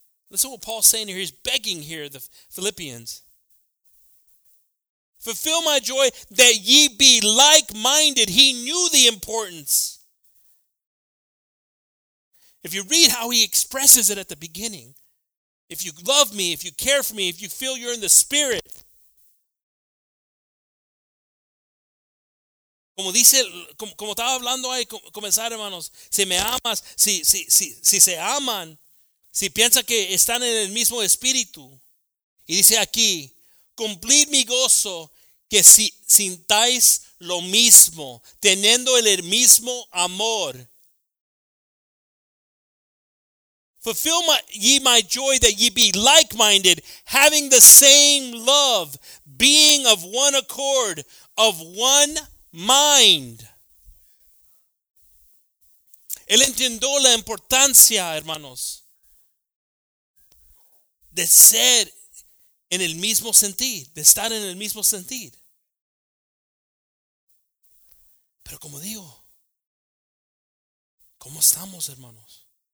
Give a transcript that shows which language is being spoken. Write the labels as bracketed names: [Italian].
[English] Listen to what Paul's saying here. He's begging here, the Philippians. Fulfill my joy that ye be like-minded. He knew the importance. If you read how he expresses it at the beginning, if you love me, if you care for me, if you feel you're in the Spirit. [Spanish] Como dice, como estaba hablando ahí, comenzar, hermanos, si me amas, si se aman, si piensan que están en el mismo espíritu. Y dice aquí, cumplid mi gozo, que si sintáis lo mismo, teniendo el mismo amor. [English] Fulfill ye my joy that ye be like-minded, having the same love, being of one accord, of one mind. [Spanish] Él entendió la importancia, hermanos, de ser en el mismo sentir, de estar en el mismo sentir. Pero como digo, ¿cómo estamos, hermanos?